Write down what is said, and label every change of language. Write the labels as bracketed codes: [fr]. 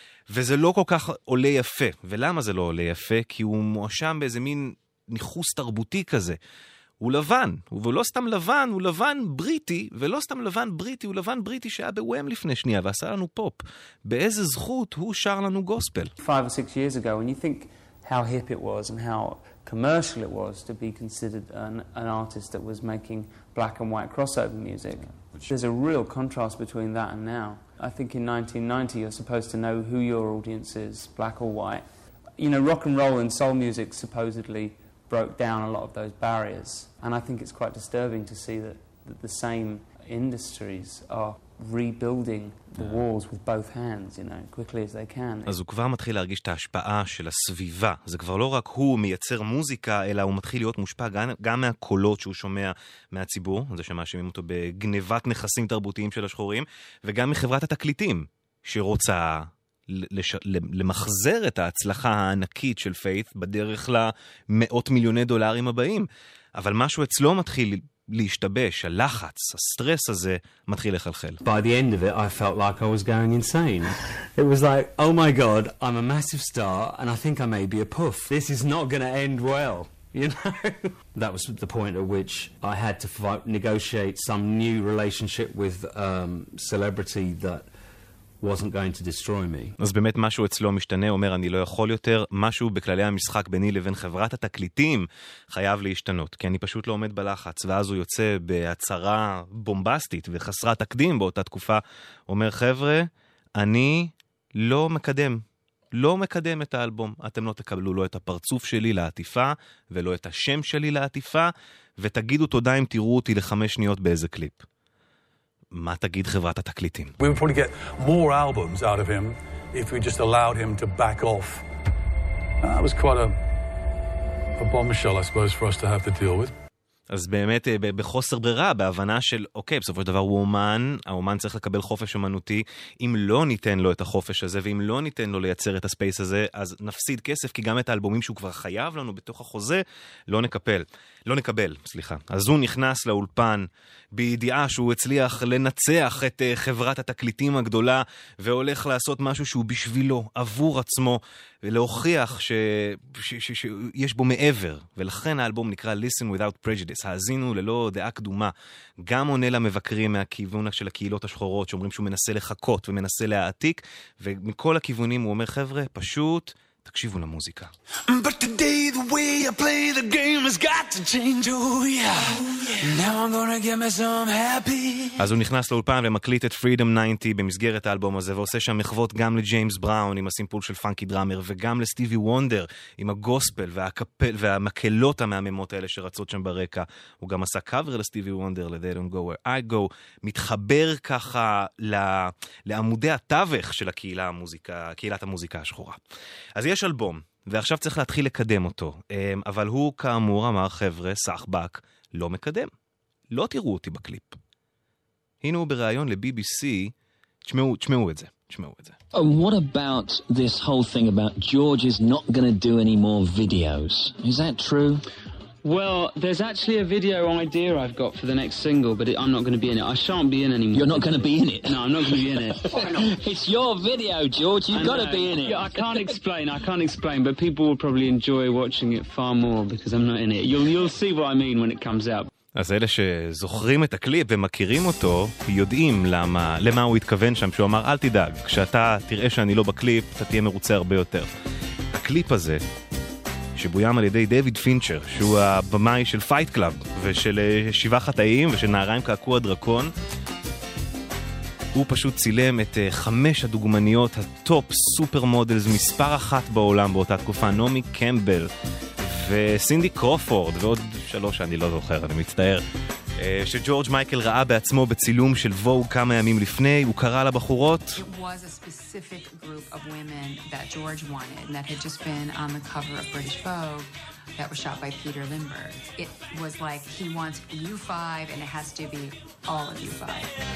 [he] וזה לא כל כך עולה יפה. ולמה זה לא עולה יפה? כי הוא מואשם באיזה מין ניחוס תרבותי כזה. הוא לבן, הוא לא סתם לבן, הוא לבן בריטי, ולא סתם לבן בריטי, הוא לבן בריטי שהיה בווים לפני שנייה, ועשה לנו פופ. באיזה זכות הוא שר לנו גוספל? [en] 5 or 6 years ago, when you think how hip it was and how commercial it was to be considered an artist that was making black and white crossover music, there's a real contrast between that and now. I think in 1990 you're supposed to know who your audience is, black or white. You know, rock and roll and soul music supposedly broke down a lot of those barriers. And I think it's quite disturbing to see that the same industries are rebuilding the walls with both hands, you know, quickly as they can. [he] אז הוא כבר מתחיל להרגיש את ההשפעה של הסביבה. זה כבר לא רק הוא מייצר מוזיקה, אלא הוא מתחיל להיות מושפע גם מהקולות שהוא שומע מהציבור, זה שמאשימים אותו בגניבת נכסים תרבותיים של השחורים, וגם מחברת התקליטים שרוצה למחזר את ההצלחה הענקית של פייט בדרך למאות מיליוני דולרים הבאים. אבל משהו אצלו מתחיל להשתבש, הלחץ, הסטרס הזה מתחיל לחלחל. [en] By the end of it, I felt like I was going insane. It was like, oh my god, I'm a massive star and I think I may be a puff. This is not going to end well, you know? That was the point at which I had to negotiate some new relationship with celebrity that wasn't going to destroy me. [he] אז באמת משהו אצלו משתנה, אומר אני לא יכול יותר, משהו בכללי המשחק ביני לבין חברת התקליטים חייב להשתנות, כי אני פשוט לא עומד בלחץ. ואז הוא יוצא בהצהרה בומבסטית וחסרת תקדים באותה תקופה, אומר חבר'ה, אני לא מקדם את האלבום, אתם לא תקבלו לא את הפרצוף שלי לעטיפה ולא את השם שלי לעטיפה, ותגידו תודה אם תראו אותי לחמש שניות באיזה קליפ. מה תגיד חברת התקליטים? [en] We would probably get more albums out of him if we just allowed him to back off. That was quite a bombshell, I suppose, for us to have to deal with. [he] אז באמת בחוסר ברירה, בהבנה של, אוקיי, בסופו של דבר הוא אומן, האומן צריך לקבל חופש אמנותי, אם לא ניתן לו את החופש הזה, ואם לא ניתן לו לייצר את הספייס הזה, אז נפסיד כסף, כי גם את האלבומים שהוא כבר חייב לנו בתוך החוזה, לא נקבל. אז הוא נכנס לאולפן בידיעה שהוא הצליח לנצח את חברת התקליטים הגדולה, והולך לעשות משהו שהוא בשבילו, עבור עצמו, ולהוכיח שיש בו מעבר. ולכן האלבום נקרא Listen Without Prejudice, האזינו ללא דעה קדומה, גם עונה למבקרים מהכיוון של הקהילות השחורות, שאומרים שהוא מנסה לחכות ומנסה להעתיק, ומכל הכיוונים הוא אומר, חבר'ה, פשוט תקשיבו למוזיקה. [en] But today the way I play the game has got to change, oh yeah. Now I'm gonna get me some happy. [he] אז הוא נכנס לאולפן ומקליט את Freedom 90 במסגרת האלבום הזה, ועושה שם מחוות גם לג'יימס בראון עם הסימפול של פאנקי דראמר, וגם לסטיבי וונדר עם הגוספל והקפל והמקלות המהממות האלה שרצות שם ברקע. הוא גם עשה קאבר לסטיבי וונדר ל-They Don't Go Where I Go, מתחבר ככה לעמודי התווך של הקהילה המוזיקה, קהילת המוזיקה השחורה. אז יש אלבום, ועכשיו צריך להתחיל לקדם אותו. אבל הוא כאמור אמר, חבר'ה, סחבק, לא מקדם. לא תראו אותי בקליפ. הנה הוא בראיון לבי-בי-סי, תשמעו את זה, תשמעו את זה. [en] What about this whole thing about George is not going to do any more videos? Is that true? Well, there's actually a video idea I've got for the next single, but I'm not going to be in it. I shan't be in anymore. You're not going to be in it? No, I'm not going to be in it. It's your video, George. You've got to be in it. Yeah, I can't explain, but people will probably enjoy watching it far more because I'm not in it. You'll see what I mean when it comes out. [he] אז אלה שזוכרים את הקליפ ומכירים אותו, יודעים למה הוא התכוון שם, שהוא אמר, אל תדאג, כשאתה תראה שאני לא בקליפ, אתה תהיה מרוצה הרבה יותר. הקליפ הזה שבוים על ידי דייוויד פינצ'ר, שהוא הבמאי של פייט קלאב, ושל שבעה חטאים, ושל נערה עם קעקוע דרקון, הוא פשוט צילם את חמש הדוגמניות, הטופ סופר מודלס, מספר אחת בעולם באותה תקופה, נעמי קמבל, וסינדי קרופורד, ועוד שלוש שאני לא זוכר, אני מצטער, שג'ורג' מייקל ראה בעצמו בצילום של ווג כמה ימים לפני, הוא קרא לבחורות. [en] It was a specific group of women that George wanted and that had just been on the cover of British Vogue that was shot by Peter Lindbergh. It was like, he wants you five and it has to be all of you five.